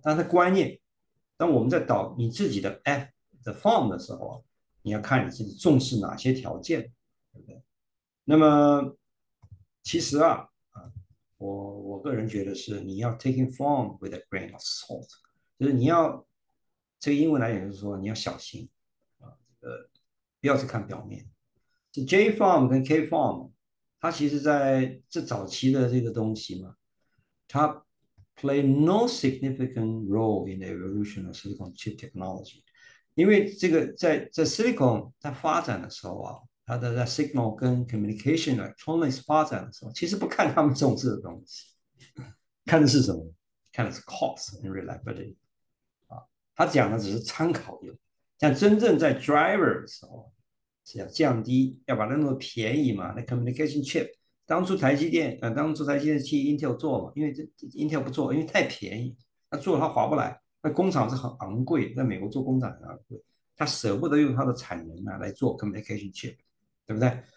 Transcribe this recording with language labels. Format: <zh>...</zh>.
<zh>但它观念，当我们在导你自己的 app 的 form 的时候，你要看你自己重视哪些条件，对不对？那么其实我个人觉得是你要</zh> <en>taking form with a grain of salt，</en> <zh>就是你要这个英文来讲就是说你要小心啊，不要只看表面。这 J form 跟 K form，它其实在这早期的这个东西嘛，它</zh> <en>play no significant role in the evolution of silicon chip technology，</en> <zh>因为这个在 silicon 它发展的时候啊。它的在 signal 跟 communication electronics 发展的时候，其实不看他们重视的东西，看的是什么？看的是</zh> <en>cost and reliability。</en> <zh>他讲的只是参考用，但真正在 driver 的时候是要降低，要把它弄便宜嘛。那 communication chip 当初台积电去 Intel 做嘛，因为这 Intel 不做，因为太便宜，他做他划不来，那工厂是很昂贵，在美国做工厂很昂贵，他舍不得用他的产能啊来做 communication chip。对不对？</zh>